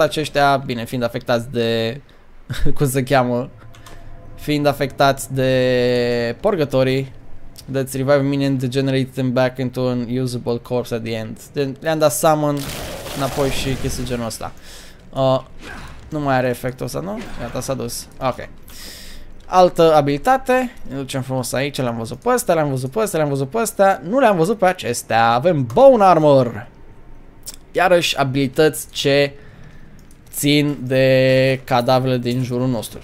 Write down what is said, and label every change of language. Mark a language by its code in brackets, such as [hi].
[ro] Aceștia, bine, fiind afectați de, cum se cheamă, fiind afectați de purgatorii. Deci [en] revive minion degenerate them back into an usable corpse at the end. [ro] Le-am dat summon înapoi și chestii genul ăsta. Nu mai are efectul ăsta, nu? Iată, s-a dus. Ok. altă abilitate. Ne ducem frumos aici, le-am văzut pe astea, le-am văzut pe astea, le-am văzut pe astea. Nu le-am văzut pe acestea. Avem Bone Armor. Iarăși abilități ce țin de cadavrele din jurul nostru.